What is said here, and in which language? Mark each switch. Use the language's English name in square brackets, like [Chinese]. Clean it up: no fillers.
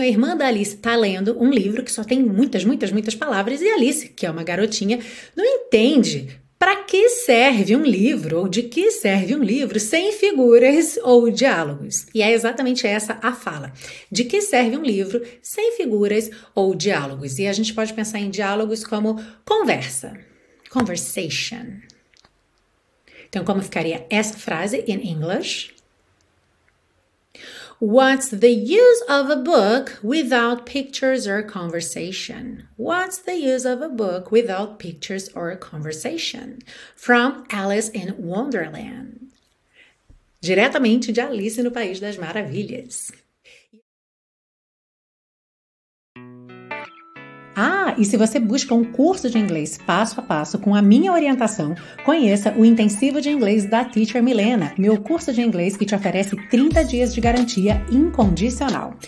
[Portuguese] A irmã da Alice está lendo um livro que só tem muitas, muitas, muitas palavras e Alice, que é uma garotinha, não entende para que serve um livro ou de que serve um livro sem figuras ou diálogos. E é exatamente essa a fala. De que serve um livro sem figuras ou diálogos? E a gente pode pensar em diálogos como conversa. Conversation. Então, como ficaria essa frase [English] in English? What's the use of a book without pictures or conversation? What's the use of a book without pictures or conversation? From Alice in Wonderland. [Portuguese] Diretamente de Alice no País das Maravilhas. Ah, e se você busca um curso de inglês passo a passo com a minha orientação, conheça o Intensivo de Inglês da Teacher Milena, meu curso de inglês que te oferece 30 dias de garantia incondicional.